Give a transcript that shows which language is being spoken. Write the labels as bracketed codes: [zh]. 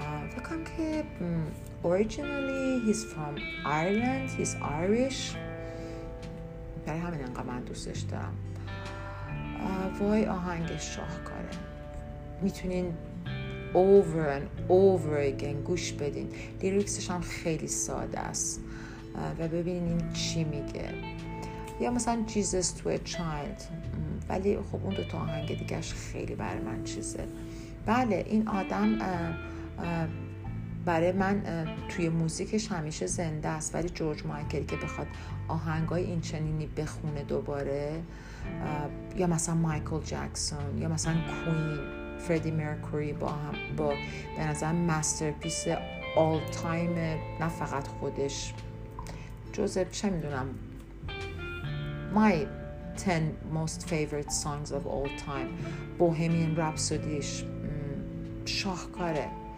[fa] فکرم که [en] Originally he's from Ireland, he's Irish. [fa] برای همین انقدر من دوستش دارم. وای آهنگ شاهکاره. میتونین [en] over and over again [fa] گوش بدین. لیریکسش هم خیلی ساده است. و ببینین این چی میگه. یا مثلا Jesus to a Child. ولی خب اون دو تا آهنگ دیگه‌اش خیلی برای من چیزه. بله این آدم برای من توی موزیکش همیشه زنده است، ولی جورج مایکل که بخواد آهنگای این چنینی بخونه دوباره، یا مثلا مایکل جکسون، یا مثلا کوین، فردی مرکوری با هم با به نظر مسترپیس آل تایم، نه فقط خودش، جوزف چه میدونم مای [en] 10 most favorite songs of all time، [fa] بوهمین رپسودیش شاهکاره.